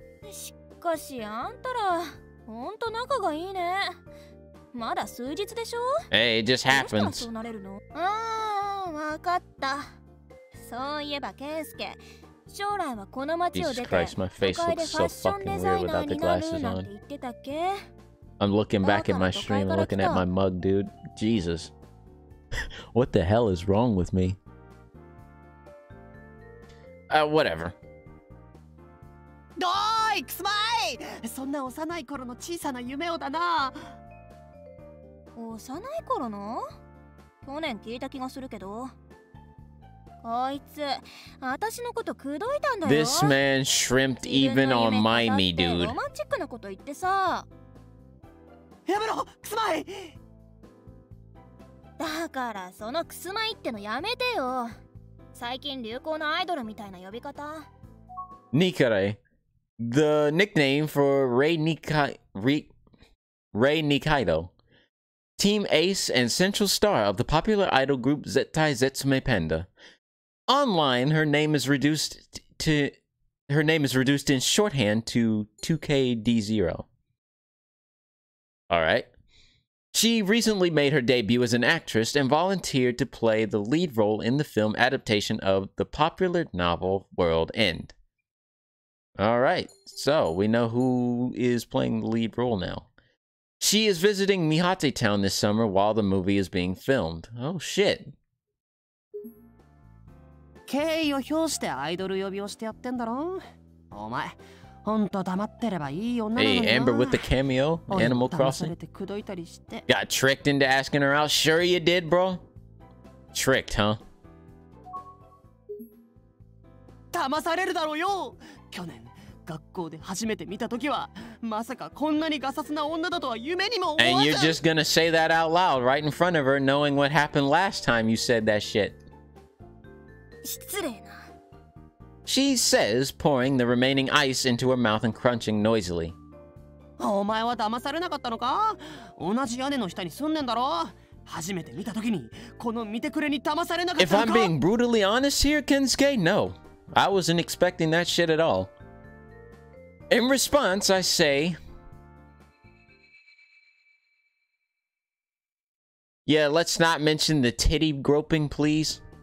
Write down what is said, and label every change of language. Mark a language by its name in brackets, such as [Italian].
[Japanese] しかし、あんたら、ほんと仲がいいね。まだ数日でしょ。 [English] Hey, it just happens. [Japanese] どうしたらそうなれるの。わかった。そういえば、ケンスケ、将来はこの街を出て、 [English] Jesus Christ, my face looks so fucking weird without the glasses on. I'm looking back at my stream and looking at my mug, dude. Jesus. What the hell is wrong with me? Whatever. [Japanese] おい、くすまい！そんな幼い頃の小さな夢をだな。幼い頃の？去年聞いた気がするけど。こいつ、あたしのこと口説いたんだよ。 [English] This man shrimped even on my me, dude. [Japanese] ロマンチックなこと言ってさ。やめろ、くすまい！だから、そのくすまいってのやめてよ。最近流行のアイドルみたいな呼び方。 [English] ニカレイ。The nickname for Rei Nikaido, team ace and central star of the popular idol group Zettai Zetsume Panda. Online, her name is reduced in shorthand to 2KD0. Alright. She recently made her debut as an actress and volunteered to play the lead role in the film adaptation of the popular novel World End. All right, so we know who is playing the lead role now. She is visiting Mihate Town this summer while the movie is being filmed. Oh shit. [Japanese] 敬意を表してアイドル呼びをしてやってんだろ。お前、本当黙ってればいい女なの [English] に。Hey, Amber with the cameo, Animal Crossing. Got tricked into asking her out? Sure you did, bro. Tricked, huh? [Japanese] 騙されるだろうよ。去年学校で初めて見たときはまさかこんなにガサツな女だとは夢にも思わず。 [English] And you're just gonna say that out loud right in front of her, knowing what happened last time you said that shit. [Japanese] 失礼な。 [English] She says, pouring the remaining ice into her mouth and crunching noisily. [Japanese] お前は騙されなかったのか？同じ屋根の下に住んでんだろ？初めて見たときにこの見てくれに騙されなかったのか [English] ？If I'm being brutally honest here, Kensuke, no. I wasn't expecting that shit at all. In response, I say... Yeah, let's not mention the titty groping, please.